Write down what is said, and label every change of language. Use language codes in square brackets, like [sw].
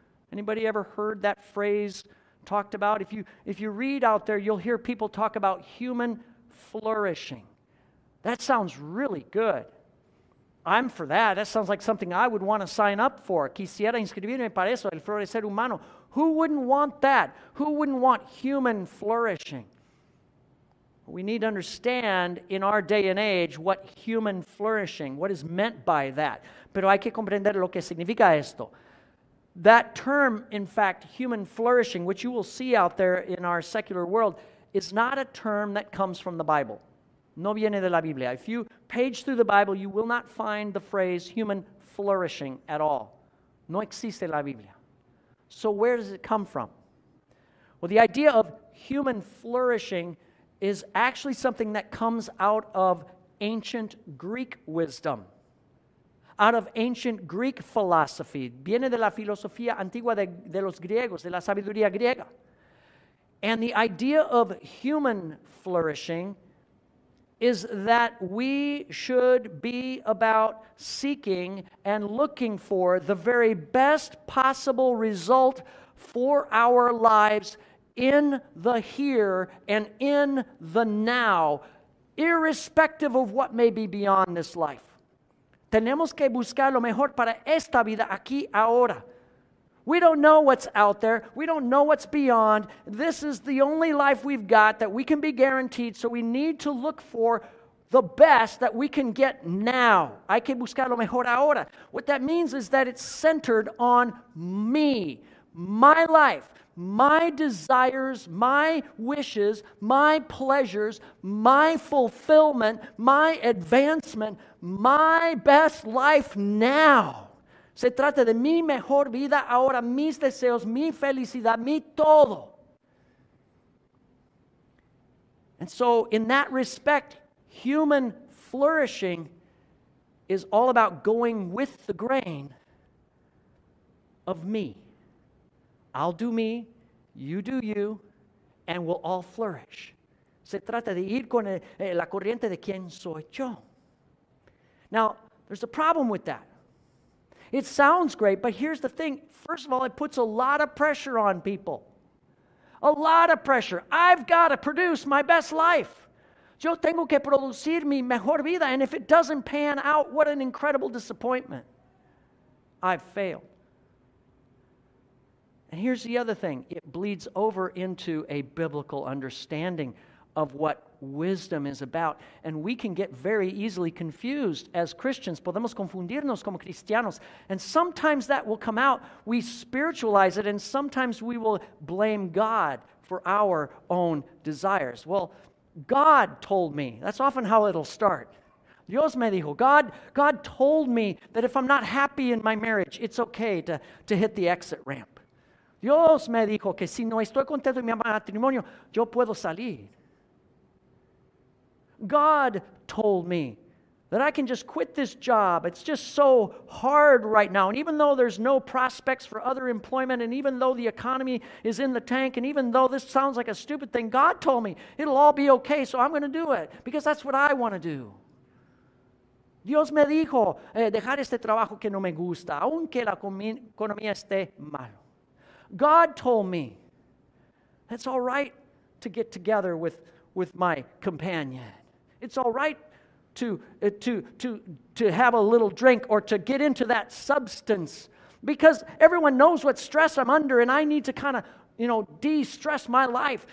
[en] Anybody ever heard that phrase talked about? If you read out there, you'll hear people talk about human flourishing. That sounds really good. I'm for that. That sounds like something I would want to sign up for. [es] Quisiera inscribirme para eso, el florecer humano. [en] Who wouldn't want that? Who wouldn't want human flourishing? We need to understand in our day and age what human flourishing, what is meant by that. [es] Pero hay que comprender lo que significa esto. [en] That term, in fact, human flourishing, which you will see out there in our secular world, is not a term that comes from the Bible. [es] No viene de la Biblia. [en] If you page through the Bible, you will not find the phrase human flourishing at all. [es] No existe la Biblia. [en] So where does it come from? Well, the idea of human flourishing is actually something that comes out of ancient Greek wisdom, out of ancient Greek philosophy. [es] Viene de la filosofía antigua de los griegos, de la sabiduría griega. [en] And the idea of human flourishing is that we should be about seeking and looking for the very best possible result for our lives in the here and in the now, irrespective of what may be beyond this life. [es] Tenemos que buscar lo mejor para esta vida aquí ahora. [en] We don't know what's out there. We don't know what's beyond. This is the only life we've got that we can be guaranteed, so we need to look for the best that we can get now. [es] Hay que buscar lo mejor ahora. [en] What that means is that it's centered on me, my life, my desires, my wishes, my pleasures, my fulfillment, my advancement, my best life now. [es] Se trata de mi mejor vida ahora, mis deseos, mi felicidad, mi todo. [en] And so in that respect, human flourishing is all about going with the grain of me. I'll do me, you do you, and we'll all flourish. [es] Se trata de ir con la corriente de quien soy yo. [en] Now, there's a problem with that. It sounds great, but here's the thing. First of all, it puts a lot of pressure on people. A lot of pressure. I've got to produce my best life. [es] Yo tengo que producir mi mejor vida. [en] And if it doesn't pan out, what an incredible disappointment. I've failed. And here's the other thing. It bleeds over into a biblical understanding of what wisdom is about, and we can get very easily confused as Christians. [es] Podemos confundirnos como cristianos, [en] and sometimes that will come out. We spiritualize it, and sometimes we will blame God for our own desires. Well, God told me. That's often how it'll start. [es] Dios me dijo. [en] God told me that if I'm not happy in my marriage, it's okay to hit the exit ramp. [es] Dios me dijo que si no estoy contento en mi matrimonio, yo puedo salir. [en] God told me that I can just quit this job. It's just so hard right now. And even though there's no prospects for other employment, and even though the economy is in the tank, and even though this sounds like a stupid thing, God told me it'll all be okay, so I'm going to do it because that's what I want to do. [es] Dios me dijo dejar este trabajo que no me gusta, aunque la economía esté mal. [en] God told me it's all right to get together with my companion. It's all right to have a little drink or to get into that substance, because everyone knows what stress I'm under and I need to kind of, you know, de-stress my life.